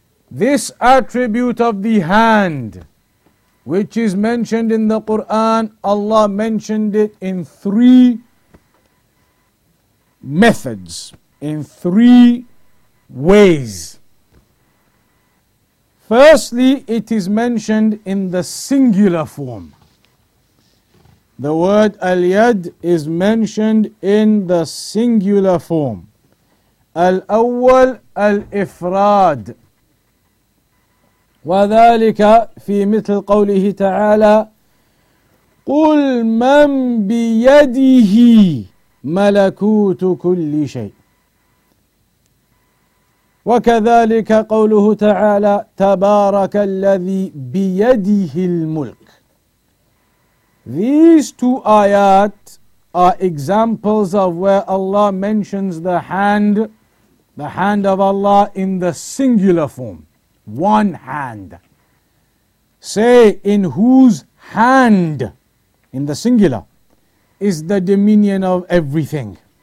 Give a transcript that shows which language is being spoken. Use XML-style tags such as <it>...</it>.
<en>This attribute of the hand, which is mentioned in the Qur'an, Allah mentioned it in three methods, in three ways. Firstly, it is mentioned in the singular form. The word al-yad is mentioned in the singular form.</en> <ar>Al-awwal al-ifrad. وذلك في مثل قوله تعالى قل من بيده ملكوت كل شيء وكذلك قوله تعالى تبارك الذي بيده الملك.</ar> <en>These two ayat are examples of where Allah mentions the hand of Allah in the singular form. One hand. Say, in whose hand, in the singular, is the dominion of everything.</en>